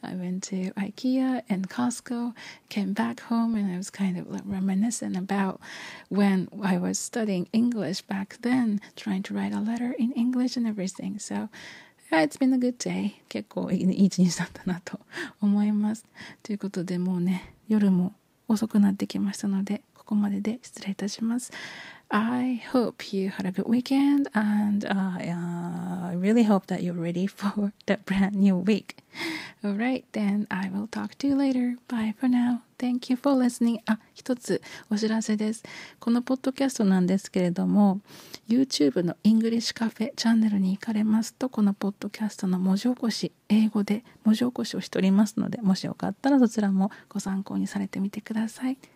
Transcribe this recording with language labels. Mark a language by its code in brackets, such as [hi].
[en] I went to IKEA and Costco, came back home, and I was kind of reminiscing about when I was studying English back then, trying to write a letter in English and everything. So, yeah, it's been a good day. [ja] 結構いい一日だったなと思います。ということで、もうね、夜も遅くなってきましたので、ここまでで失礼いたします。 [en] I hope you had a good weekend and I really hope that you're ready for the brand new week. All right, then I will talk to you later. Bye for now. Thank you for listening. [ja] あ、一つお知らせです。このポッドキャストなんですけれども、YouTube の English Cafe チャンネルに行かれますと、このポッドキャストの文字起こし、英語で文字起こしをしておりますので、もしよかったらそちらもご参考にされてみてください。